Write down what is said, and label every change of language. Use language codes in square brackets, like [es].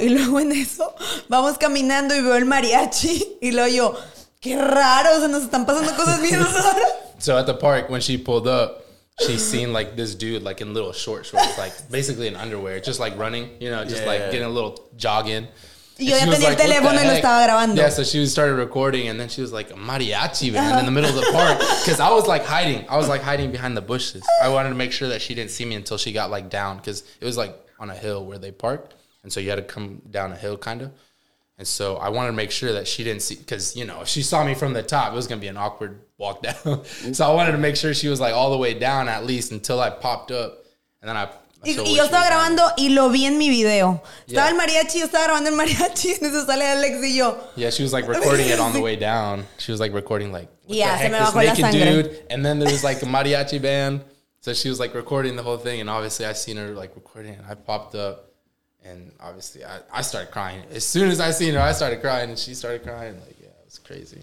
[es] Y luego en eso, vamos caminando y veo el mariachi. Y luego yo, qué raro, se nos están pasando cosas bien raras. [en] So at the park, when she pulled up, she seen, like, this dude, like, in little short shorts, like, basically in underwear, just, like, running, you know, just, like, getting a little jogging. [es] Y yo ya tenía el teléfono y lo estaba grabando. [en] Yeah, so she started recording, and then she was like, mariachi, man, in the middle of the park. Because I was hiding behind the bushes. I wanted to make sure that she didn't see me until she got, like, down, because it was, like, on a hill where they parked. And so you had to come down a hill, kind of. And so I wanted to make sure that she didn't see, because, you know, if she saw me from the top, it was going to be an awkward walk down. So I wanted to make sure she was, like, all the way down, at least, until I popped up. And then [es] Y yo estaba grabando down. Y lo vi en mi video. Estaba el mariachi, yo estaba grabando el mariachi. Y eso sale Alex y yo. [en] Yeah, she was, like, recording it on the way down. She was, like, recording, like, what the heck, this naked dude. And then there was, like, a mariachi band. So she was, like, recording the whole thing. And obviously I seen her, like, recording. And I popped up. And obviously, I started crying. As soon as I seen her, I started crying, and she started crying. Like, yeah, it was crazy.